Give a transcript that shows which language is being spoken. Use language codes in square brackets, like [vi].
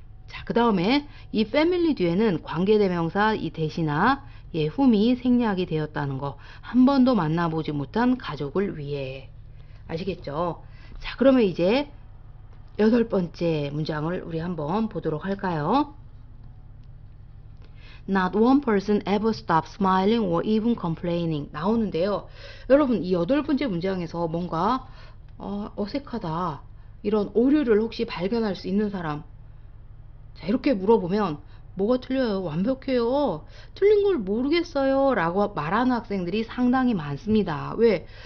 [ko] 자, 그 다음에 이 family 뒤에는 관계대명사 이 대신하 예, whom이 생략이 되었다는 거. 한 번도 만나보지 못한 가족을 위해. 아시겠죠? 자, 그러면 이제 여덟 번째 문장을 우리 한번 보도록 할까요? [en] Not one person ever stops smiling or even complaining. [ko] 나오는데요. 여러분, 이 여덟 번째 문장에서 뭔가 어색하다. 이런 오류를 혹시 발견할 수 있는 사람. 자, 이렇게 물어보면 뭐가 틀려요? 완벽해요. 틀린 걸 모르겠어요. 라고 말하는 학생들이 상당히 많습니다. 왜?